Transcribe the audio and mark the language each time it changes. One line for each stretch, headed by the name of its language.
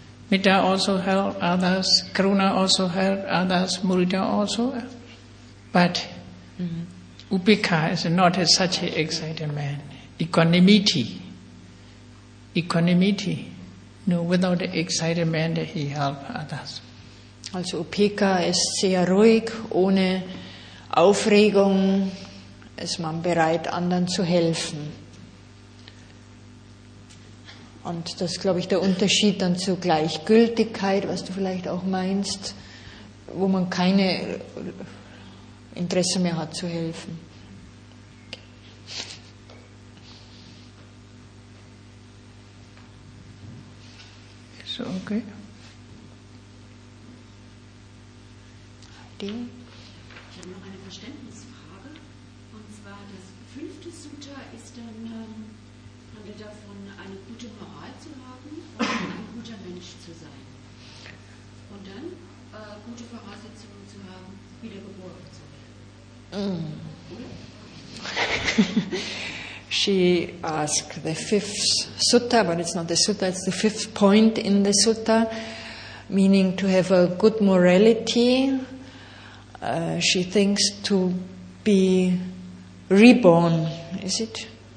English: Metta also help others, karuna also help others, mudita also. But upeka is not such an excited man. Equanimity. No, without the excitement that he helps others.
German: Also Upeka ist sehr ruhig, ohne Aufregung ist man bereit, anderen zu helfen. Und das ist, glaube ich, der Unterschied dann zu Gleichgültigkeit, was du vielleicht auch meinst, wo man keine Interesse mehr hat zu helfen.
English: So, okay.
German: Ich habe noch eine Verständnisfrage. Und zwar das fünfte Sutta ist dann, handelt davon, eine gute Moral zu haben und ein guter Mensch zu sein. Und dann gute Voraussetzungen zu haben, wiedergeboren zu werden.
English: She asked the fifth sutta, but it's not the sutta, it's the fifth point in the sutta, meaning to have a good morality. She thinks to be reborn, is it?